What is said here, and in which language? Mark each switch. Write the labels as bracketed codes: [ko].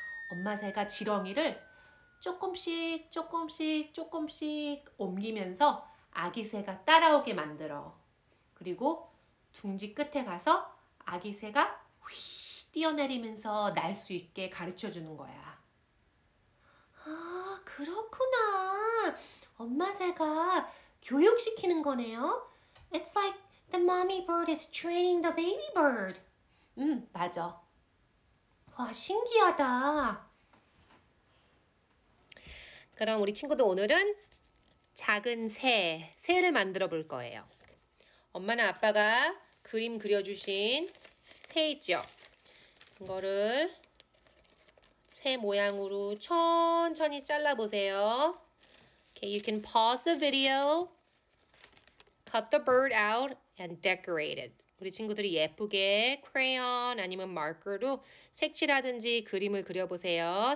[ko] 엄마 새가 지렁이를 조금씩 조금씩 조금씩 옮기면서 아기 새가 따라오게 만들어. 그리고 둥지 끝에 가서 아기 새가 휘 뛰어내리면서 날 수 있게 가르쳐 주는 거야. 아, 그렇구나. 엄마 새가 교육시키는 거네요. [en] It's like the mommy bird is training the baby bird. [ko] 맞아. 와, 신기하다. 그럼 우리 친구도 오늘은 작은 새, 새를 만들어 볼 거예요. 엄마나 아빠가 그림 그려주신 새 있죠? 이거를 새 모양으로 천천히 잘라보세요. [en] Okay, you can pause the video, cut the bird out and decorate it. [ko] 우리 친구들이 예쁘게 크레용 아니면 마커로 색칠하든지 그림을 그려보세요.